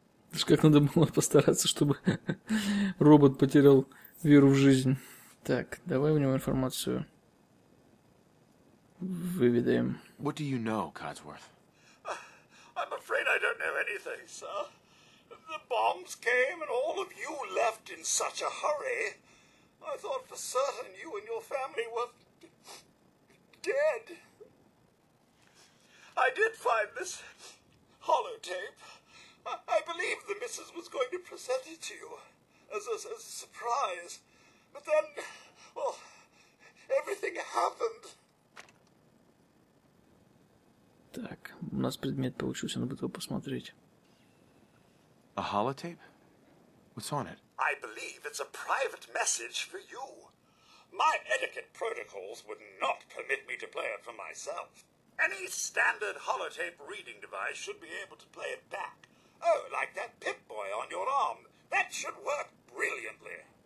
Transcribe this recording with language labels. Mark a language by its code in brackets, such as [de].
[ru] Это ж как надо было постараться, чтобы робот потерял веру в жизнь. Так, давай у него информацию выведаем. [en] What do you know, Codsworth? I'm afraid I don't know anything, sir. The bombs came and all of you left in such a hurry. I thought for certain you and your family were dead. I did find this holotape. I believe the missus was going to present it to you as a surprise. But then, well, everything happened. [ru] Так, у нас предмет получился, надо бы его посмотреть. [en] A holotape? What's on it? I believe it's a private message for you. My etiquette protocols would not permit me to play it for myself. Any standard holotape reading device should be able to play it back. Oh, like that Pip-Boy on your arm. That should work brilliantly.